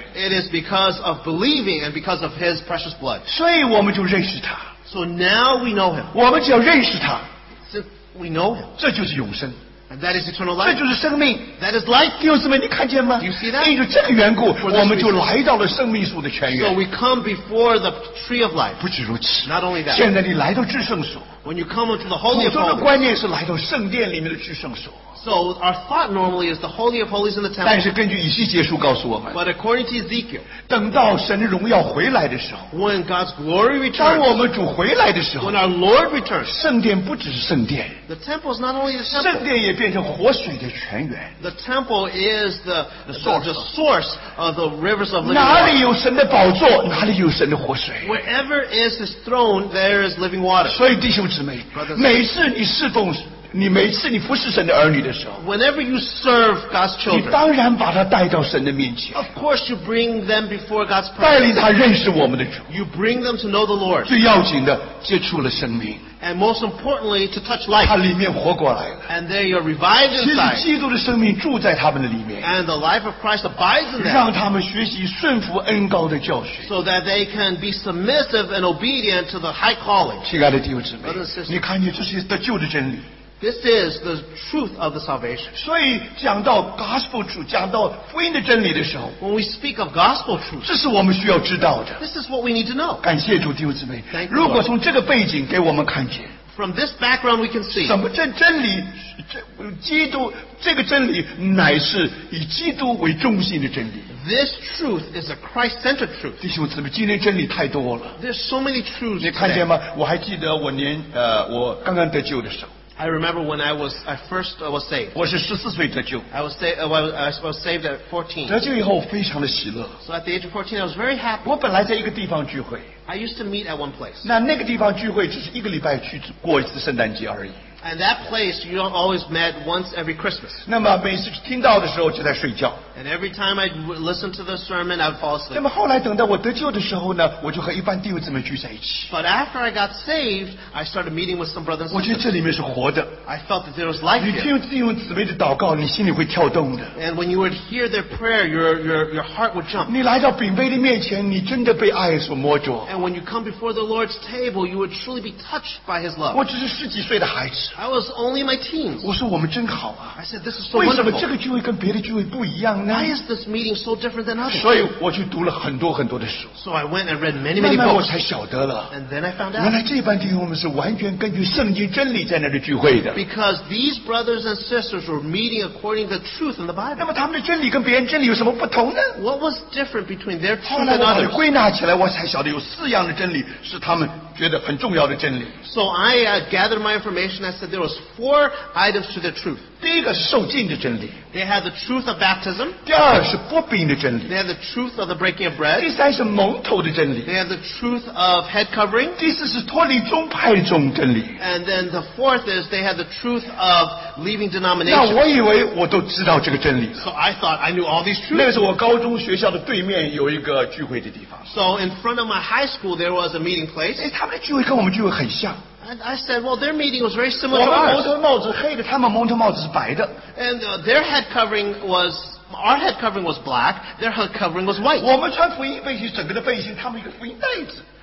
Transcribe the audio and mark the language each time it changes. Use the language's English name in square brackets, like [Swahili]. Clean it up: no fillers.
[English] it is because of believing and because of his precious. Blood. [Chinese] 所以我们就认识他, [English] so now we know him. [Chinese] 我们只要认识他, [English] so we know him. [Chinese] 这就是永生, [English] and that is eternal life. [Chinese] 这就是生命, [English] that is life. [Chinese] 弟兄姊妹, 你看见吗? [English] Do you see that? [Chinese] 因着这个缘故, 我们就来到了生命树的泉源。 [English] So we come before the tree of life. [Chinese] 不止如此, [English] not only that. [Chinese] 现在你来到至圣所, [English] when you come into the Holy of Holies. [Chinese] 普通的观念是来到圣殿里面的至圣所。 [English] So our thought normally is the Holy of Holies in the temple. [Chinese] 但是根据以西结书告诉我们, [English] but according to Ezekiel, [Chinese] 等到神荣耀回来的时候, [English] when God's glory returns, [Chinese] 当我们主回来的时候, [English] when our Lord returns, [Chinese] 圣殿不只是圣殿, [English] the temple is not only the temple, [Chinese] 圣殿也变成活水的泉源, [English] the temple is the source of the rivers of living water. [Chinese] 哪里有神的宝座, 哪里有神的活水, [English] wherever is his throne, there is living water. [Chinese] 所以弟兄姊妹, 每次你侍奉, 你每次你服侍神的儿女的时候, [English] whenever you serve God's children, [Chinese] 你当然把他带到神的面前, [English] of course you bring them before God's presence. [Chinese] 带领他认识我们的主, [English] you bring them to know the Lord. [Chinese] 最要紧的, 接触了生命, [English] and most importantly to touch life. [Chinese] 他里面活过来了, [English] and they are revived inside. [Chinese] 其实基督的生命住在他们的里面, [English] and the life of Christ abides in them. [Chinese] 让他们学习顺服恩膏的教训, [English] so that they can be submissive and obedient to the high calling. [Chinese] 亲爱的弟兄姊妹, 你看见这些得救的真理, [English] this is the truth of the salvation. [Chinese] 所以讲到 [English] gospel truth, [Chinese] 讲到福音的真理的时候, [English] when we speak of gospel truth, [Chinese] 这是我们需要知道的, [English] this is what we need to know. [Chinese] 感谢主弟兄姊妹, [English] thank you. [Chinese] 如果从这个背景给我们看见, [English] from this background we can see, [Chinese] 什么真理, 基督, 这个真理乃是以基督为中心的真理, [English] this truth is a Christ-centered truth. [Chinese] 弟兄姊妹, 今天真理太多了, [English] there's so many truths. [Chinese] 你看见吗? 我还记得我年, 我刚刚得救的时候, [English] I remember when I first was saved. [Chinese] 我是14岁得救。 [English] I was saved at 14. [Chinese] 得救以后非常的喜乐。 [English] So at the age of 14, I was very happy. [Chinese] 我本来在一个地方聚会。 [English] I used to meet at one place. [Chinese] 那个地方聚会只是一个礼拜去过一次圣诞节而已。 [English] And that place, you don't always met once every Christmas. [Chinese] 那么每次听到的时候就在睡觉。 [English] And every time I listen to the sermon, I would fall asleep. [Chinese] 那么后来等到我得救的时候呢，我就和一般弟兄姊妹聚在一起。 [English] But after I got saved, I started meeting with some brothers and sisters. [Chinese] 我觉得这里面是活的。 [English] I felt that there was life here. [Chinese] 你听弟兄姊妹的祷告，你心里会跳动的。 [English] And when you would hear their prayer, your heart would jump. [Chinese] 你来到饼杯的面前，你真的被爱所摸着。 [English] And when you come before the Lord's table, you would truly be touched by His love. [Chinese] 我只是十几岁的孩子。 [English] I was only my teens. [Chinese] 我说我们真好啊。 [English] I said, this is so wonderful. [Chinese] 为什么这个聚会跟别的聚会不一样呢? [English] Why is this meeting so different than others? [Chinese] 所以我去读了很多很多的书。 [English] So I went and read many, many books. [Chinese] 慢慢我才晓得了。 [English] And then I found out. [Chinese] 原来这班弟兄们是完全根据圣经真理在那里聚会的。 [English] Because these brothers and sisters were meeting according to the truth in the Bible. [Chinese] 那么他们的真理跟别人真理有什么不同呢? [English] What was different between their truth and others? [Chinese] 后来我归纳起来，我才晓得有四样的真理是他们。觉得很重要的真理。 [English] So I gathered my information. I said there was four items to the truth. [Chinese] 第一个是受浸的真理。 [English] They had the truth of baptism. [Chinese] 第二是不病的真理。 [English] They had the truth of the breaking of bread. [Chinese] 第三是蒙头的真理。 [English] They had the truth of head covering. [Chinese] 第四是脱离宗派中真理。 [English] And then the fourth is they had the truth of leaving denomination. [Chinese] 那我以为我都知道这个真理。 [English] So I thought I knew all these truths. [Chinese] 那是我高中学校的对面有一个聚会的地方。 [English] So in front of my high school there was a meeting place. [Chinese] 他们的聚会跟我们聚会很像。 [English] And I said, well, their meeting was very similar to ours. [Chinese] 我们蒙头帽子黑的, 他们蒙头帽子是白的。 [English] And their head covering was, our head covering was black, their head covering was white. [Chinese] 我们穿福音背心,整个的背心, 他们一个福音袋子。